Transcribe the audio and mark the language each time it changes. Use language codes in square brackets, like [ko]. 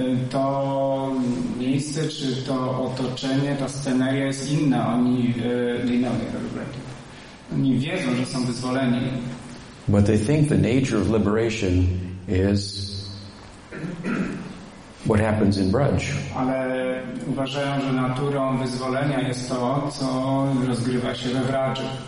[pl] To miejsce, czy to otoczenie, ta sceneria jest inna. Oni wiedzą, że są wyzwoleni. [en] But they think the nature of liberation is what happens in Braj. [pl] Ale uważają, że naturą wyzwolenia jest to, co rozgrywa się we Braju.